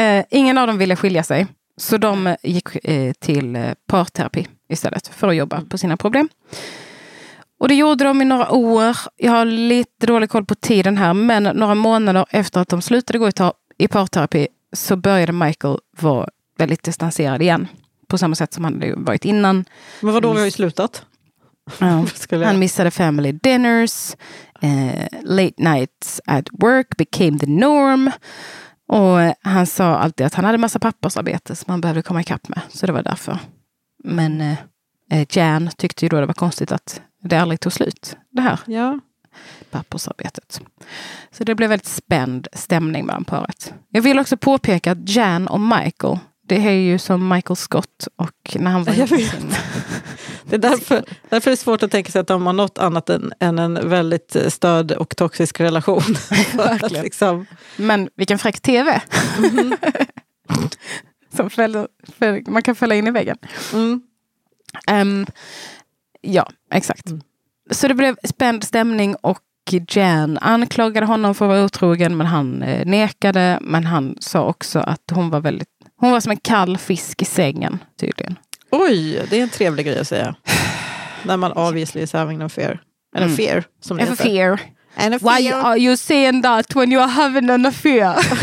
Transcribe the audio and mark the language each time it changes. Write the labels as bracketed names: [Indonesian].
[Swedish] Ingen av dem ville skilja sig. Så de gick till parterapi istället för att jobba på sina problem. Och det gjorde de i några år. Jag har lite dålig koll på tiden här. Men några månader efter att de slutade gå i parterapi så började Michael vara väldigt distanserad igen. På samma sätt som han hade varit innan. Men vadå, vi har ju slutat. Han missade [English] family dinners. Late nights at work became the norm. [Swedish] Och han sa alltid att han hade massa pappersarbete som han behövde komma ikapp med. Så det var därför. Men Jan tyckte ju då det var konstigt att det aldrig tog slut, det här. Ja. Pappersarbetet. Så det blev väldigt spänd stämning mellan paret. Jag vill också påpeka att Jan och Michael, det är ju som Michael Scott och när han var i sin... Det är därför det är svårt att tänka sig att de har något annat än en väldigt störd och toxisk relation. Verkligen. Liksom. Men vilken fräck tv. Som man kan fälla in i väggen. Mm. Ja, exakt. Mm. Så det blev spänd stämning och Jan anklagade honom för att vara otrogen, men han nekade. Men han sa också att hon var som en kall fisk i sängen, tydligen. Oj, det är en trevlig grej att säga. När man [English] obviously is having an affair. An affair, [Swedish] som det heter. [English] Fear. An affair. Why are you saying that when you are having an affair?